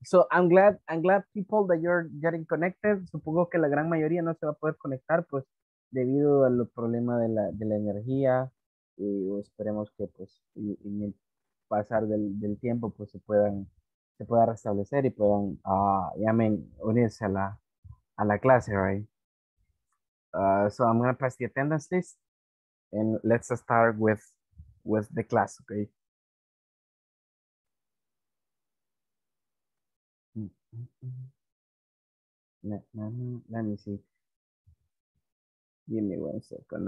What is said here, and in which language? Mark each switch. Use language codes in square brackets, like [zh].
[en] So I'm glad people that you're getting connected. [es] Supongo que la gran mayoría no se va a poder conectar pues debido a los problemas de la energía. Y esperemos que pues en el pasar del tiempo pues se pueda restablecer y puedan unirse a la a la clase, [en] right? So I'm going to pass the attendance list and let's start with the class, okay? Let me see. Give me 1 second.